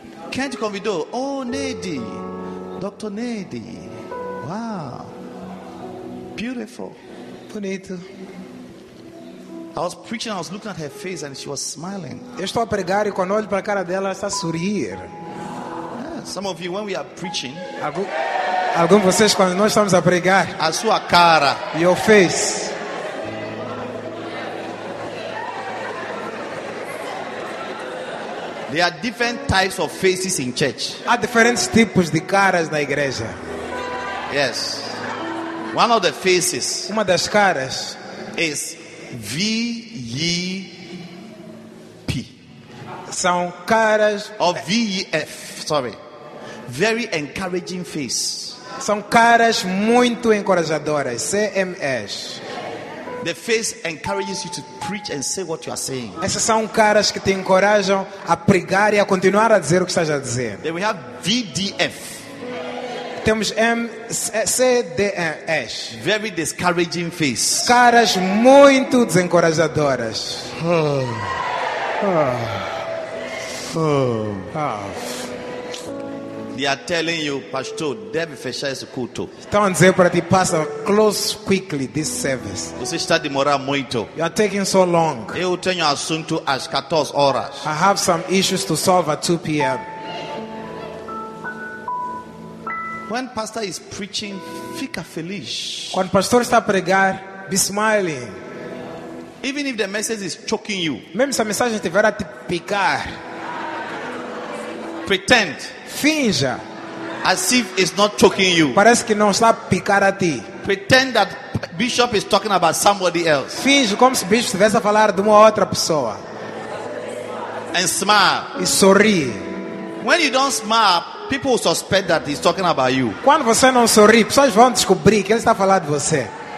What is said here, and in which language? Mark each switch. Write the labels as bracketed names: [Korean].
[Portuguese] Quem te convidou? Oh, Neide. Dr. Neide. [English] Wow. Beautiful. [Portuguese] Bonito. [English] I was preaching, I was looking at her face and she was smiling. [Portuguese] Eu estou a pregar e quando olho para a cara dela, ela está a sorrir. [English] Yeah, some of you, when we are preaching, [Portuguese] alguns de vocês, quando nós estamos a pregar, a sua cara, [English] your face. There are different types of faces in church. [Portuguese] Há diferentes tipos de caras na igreja. [English] Yes. One of the faces, [Portuguese] uma das caras, [English] is VEP. [Portuguese] São caras [English] of VEF, sorry. Very encouraging face. [Portuguese] São caras muito encorajadoras, CMS. [English] The face encourages you to preach and say what you are saying. [Portuguese] Essas são caras que te encorajam a pregar e a continuar a dizer o que estás a dizer. [English] Then we have VDF. [Portuguese] Temos CDS. [English] Very discouraging face. [Portuguese] Caras muito desencorajadoras. [English] They are telling you, pastor, [Portuguese] deve fechar esse culto. Estão a dizer para ti, pastor, [English] close quickly this service. [Portuguese] Você está a demorar muito. [English] You are taking so long. [Portuguese] Eu tenho assunto às 14 horas. [English] I have some issues to solve at 2 p.m. When pastor is preaching, [Portuguese] fica feliz. Quando pastor está a pregar, [English] be smiling. Even if the message is choking you. [Portuguese] Mesmo se a mensagem estiver a te picar. [English] Pretend. [Portuguese] Finja. [English] As if it's not choking you. [Portuguese] Parece que não está a picar a ti. [English] Pretend that bishop is talking about somebody else. [Portuguese] Finja como se bishop estivesse a falar de uma outra pessoa. [English] And smile. [Portuguese] E sorri. [English] When you don't smile, people will suspect that he's talking about you. [Portuguese] Quando você não sorri, pessoas vão descobrir que ele está a falar de você.